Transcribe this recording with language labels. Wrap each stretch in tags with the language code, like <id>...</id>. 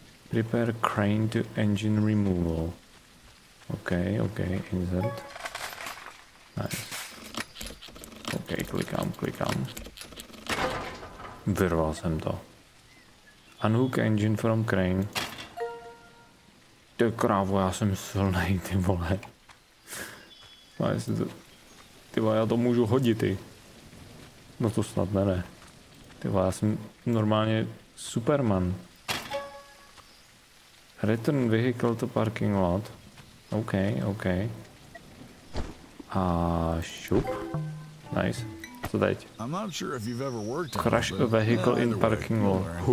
<en>Prepare crane to engine removal. OK, insert. Nice.</en> <cs>OK, klikám. Vyrval jsem to.</cs> <en>Unhook engine from crane.</en> <cs>Ty krávo, já jsem silnej, ty vole. Ty vole, já to můžu hodit, ty. No to snad ne. Tyvo, já jsem normálně Superman.</cs> <en>Return vehicle to parking lot.</en> <cs>OK, OK. A šup. Nice. Co teď?</cs> <en>I'm not sure if you've ever worked crash a vehicle in parking lot.</en>